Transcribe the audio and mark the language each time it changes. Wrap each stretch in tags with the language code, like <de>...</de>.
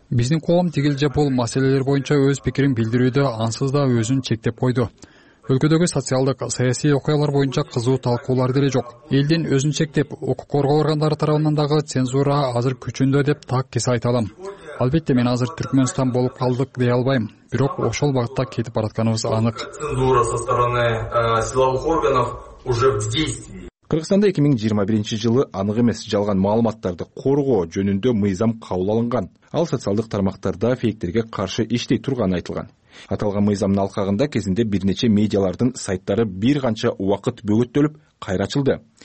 <ky>Биздин коом тигилже бул маселелер боюнча өз пикирин билдирүүдө ансыз да өзүн чектеп койду. Өлкөдөгү социалдык, саясий окуялар боюнча кызуу талкуулар деле жок. Элдин өзүн чектеп, укук коргоо органдары тарабынан дагы цензура азыр күчүндө деп так кесе айта алам. Албетте мен азыр Түркмөнстан болуп калдык дей албайм, бирок ошол багытта кетип баратканыбыз анык.</ky> <ru>Цензура со стороны силовых органов уже в действии.</ru> <ky>Кыргызстанда 2021 жылы анык эмес жалган маалыматтарды коргоо жөнүндө мыйзам кабыл алынган. Ал социалдык тармактарда фейктерге каршы иштей турганы айтылган. Аталган мыйзамдын алкагында кезинде бир нече медиалардын сайттары бир канча убакыт бөгөттөлүп кайрачылды.</ky>